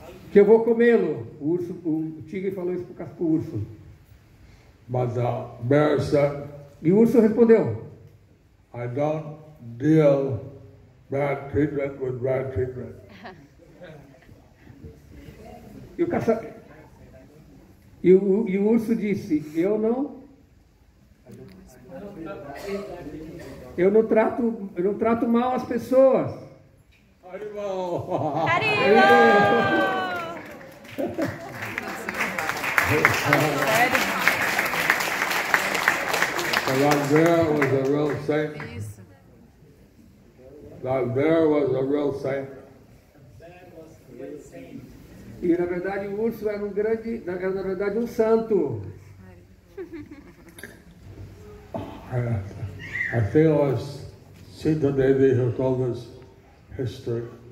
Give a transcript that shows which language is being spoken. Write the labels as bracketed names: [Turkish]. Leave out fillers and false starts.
[Portuguese] Que eu vou comê-lo. O urso, o tigre falou isso para o urso. [English] But the bear said, [Portuguese] e o urso respondeu: [English] I don't deal bad treatment with bad treatment. [Portuguese] E o urso disse: Eu não trato mal as pessoas. Arrival! Arrival! [English] That bear was a real saint. That bear was a real saint. [Portuguese] E na verdade o urso era um grande, era na verdade um santo. [English] I think it was Sita Devi who told us history.